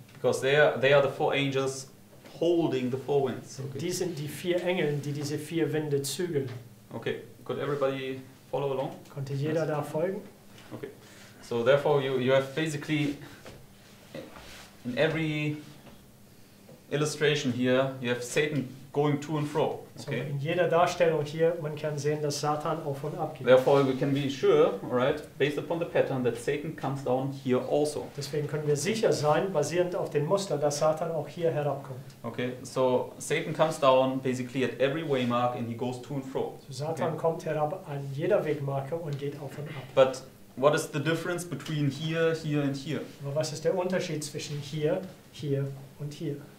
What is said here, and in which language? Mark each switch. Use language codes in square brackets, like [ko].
[en] Because they are the four angels holding the four winds. Okay. [de] Die sind die vier Engel, die diese vier Winde zügeln. [en] Okay, could everybody follow along? [de] Konnte jeder da folgen? [en] Okay, so therefore you have basically in every illustration here you have Satan going to and fro. Okay. [de] So in jeder Darstellung hier man kann sehen, dass Satan auf und ab geht. [en] Therefore we can be sure, all right, based upon the pattern, that Satan comes down here also. [de] Deswegen können wir sicher sein, basierend auf dem Muster, dass Satan auch hier herabkommt. [en] Okay, so Satan comes down basically at every waymark and he goes to and fro. [de] So Satan kommt herab an jeder Wegmarke und geht auf und ab. [en] But what is the difference between here, here and here? [de] Aber was ist der Unterschied zwischen hier, hier und hier?